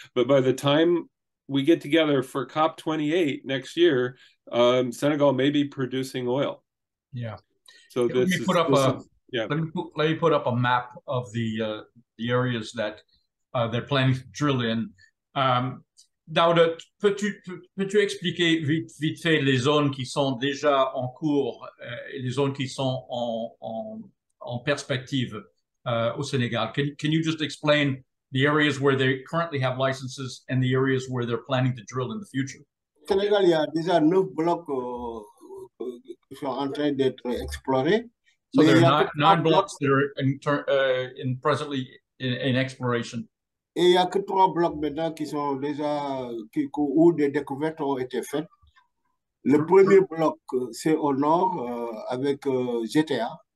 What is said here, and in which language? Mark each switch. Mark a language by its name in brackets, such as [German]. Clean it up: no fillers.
[English] But by the time we get together for COP28 next year, Senegal may be producing oil. Yeah. So let me put up a map of the areas that they're planning to drill in. [French] Daouda, peux-tu expliquer vite fait les zones qui sont déjà en cours et les zones qui sont en perspective au Sénégal? [English] Can you just explain the areas where they currently have licenses and the areas where they're planning to drill in the future? [French] Sénégal, il y a déjà 9 blocs qui sont en train d'être explorés. [English] So there are 9 blocs that are presently in exploration. [French] Et il y a que 3 blocs maintenant qui sont déjà où des découvertes ont été faites. Le premier bloc, c'est au nord avec GTA,